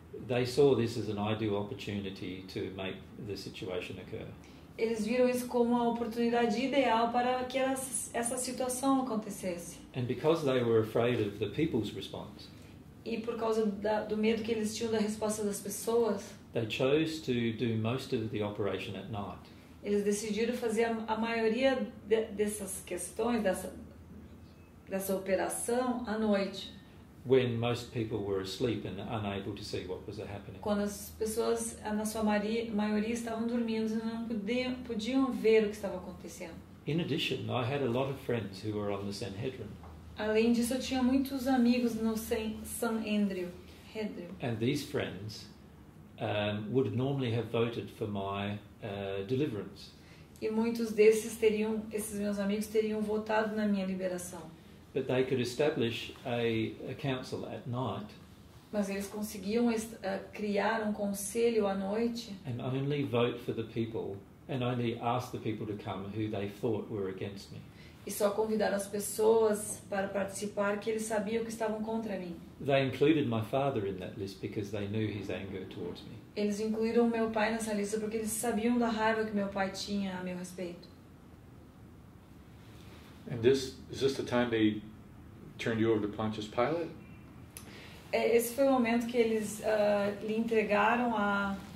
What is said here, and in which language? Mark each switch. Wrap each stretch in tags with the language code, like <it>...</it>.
<en>They saw this as an ideal opportunity to make the situation occur.</en> <pt>Eles viram isso como uma oportunidade ideal para que essa situação acontecesse.</pt> <en>And because they were afraid of the people's response.</en> <pt>E por causa do medo que eles tinham da resposta das pessoas.</pt> <en>They chose to do most of the operation at night.</en> <pt>Eles decidiram fazer a maioria dessas questões, dessa operação, à noite.</pt> <en>When most people were asleep and unable to see what was happening.</en> <pt>Quando as pessoas, na sua maioria, estavam dormindo e não podiam ver o que estava acontecendo.</pt> <en>In addition, I had a lot of friends who were on the Sanhedrin.</en> <pt>Além disso, eu tinha muitos amigos no Sanhedrin.</pt> <en>And these friends would normally have voted for my deliverance.</en> <pt>E muitos desses teriam, esses meus amigos teriam votado na minha liberação.</pt> <en>But they could establish a council at night.</en> <pt>Mas eles conseguiam criar um conselho à noite.</pt> <en>And only vote for the people, and only ask the people to come who they thought were against me.</en> <pt>E só convidar as pessoas para participar que eles sabiam que estavam contra mim.</pt> <en>They included my father in that list because they knew his anger towards me.</en> <pt>Eles incluíram meu pai nessa lista porque eles sabiam da raiva que meu pai tinha a meu respeito.</pt> <en>And this is this the time they turned you over to Pontius Pilate?</en> <pt>Esse foi o momento que eles lhe entregaram a...</pt>